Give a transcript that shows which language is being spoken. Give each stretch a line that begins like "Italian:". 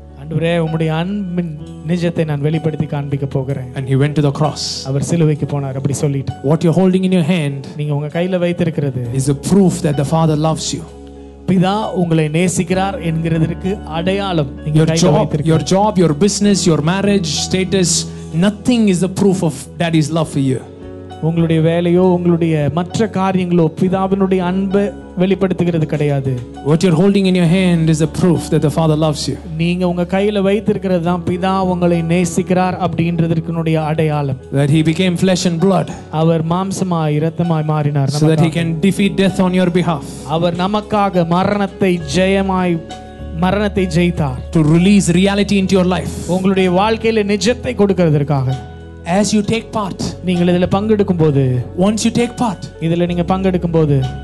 Tamil: ஆண்டவரே, உம்முடைய அன்பின் நிஜத்தை நான் வெளிப்படுத்தி காண்பிக்க போகிறேன்.
English: And he went to the cross.
Tamil: அவர் சிலுவைக்கு போனார் அப்படி சொல்லிட்டு.
English: What you're holding in your hand,
Tamil: நீங்க உங்க கையில வைத்திருக்கிறது,
English: is a proof that the Father loves you.
Tamil: பிதா உங்களை நேசிக்கிறார் என்கிறதற்கு அடையாளம். நீங்க கையில வைத்திருக்கிறது.
English: Your job, your business, your marriage status, nothing is a proof of daddy's love for you.
Tamil: உங்களுடைய வேலையோ உங்களுடைய மற்ற காரியங்களோ பிதாவினுடைய அன்பு வெளிப்படுத்துகிறது கிடையாது.
English: What you're holding in your hand is a proof that the Father loves you.
Tamil: நீங்க உங்க கையில வைத்திருக்கிறது தான் பிதா உங்களை நேசிக்கிறார் அப்படின்றதற்குனுடைய அடையாளம்.
English: That he became flesh and blood.
Tamil: அவர் மாம்சமாய் இரத்தமாய் மாறினார்.
English: So that he can defeat death on your behalf.
Tamil: அவர் நமக்காக மரணத்தை ஜெயமாய் மரணத்தை ஜெயித்தார்.
English: To release reality into your life.
Tamil: உங்களுடைய வாழ்க்கையில நிஜத்தை கொடுக்கிறதுக்காக.
English: As you take part,
Tamil: நீங்கள் இதிலே பங்கெடுக்கும் போது,
English: once you take part,
Tamil: இதிலே நீங்க பங்கெடுக்கும் போது,